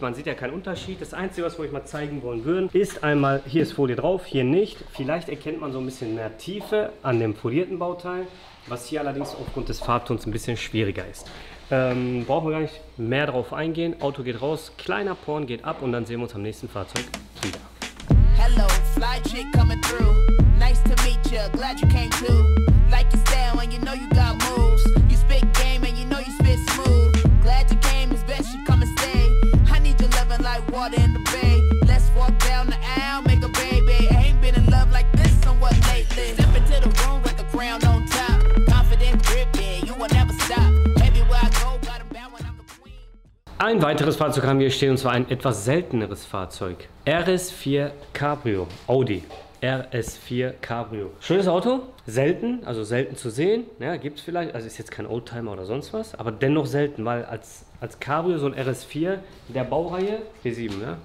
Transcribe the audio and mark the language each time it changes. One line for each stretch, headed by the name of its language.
German: Man sieht ja keinen Unterschied. Das Einzige, was wir euch mal zeigen wollen würden, ist einmal, hier ist Folie drauf, hier nicht. Vielleicht erkennt man so ein bisschen mehr Tiefe an dem folierten Bauteil, was hier allerdings aufgrund des Farbtons ein bisschen schwieriger ist. Brauchen wir gar nicht mehr drauf eingehen. Auto geht raus, kleiner Porn geht ab, und dann sehen wir uns am nächsten Fahrzeug wieder.
English: Hello, fly chick coming through. Nice to meet you, glad you came too. Like you stand when you know you got moves. You spit game and you know you spit smooth. Glad you came, it's best you come and stay. I need your loving like water in the bay. Let's walk down the aisle, make a baby. I ain't been in love like this somewhat lately. Step into the room like a crown on top. Confident gripping, you will never stop. Everywhere I go, got a bow when I'm the queen.
German: Ein weiteres Fahrzeug haben wir hier stehen, und zwar ein etwas selteneres Fahrzeug. RS4 Cabrio Audi. RS4 Cabrio. Schönes Auto, selten, also selten zu sehen. Ja, gibt es vielleicht, also ist jetzt kein Oldtimer oder sonst was, aber dennoch selten, weil als Cabrio so ein RS4 in der Baureihe B7, ja?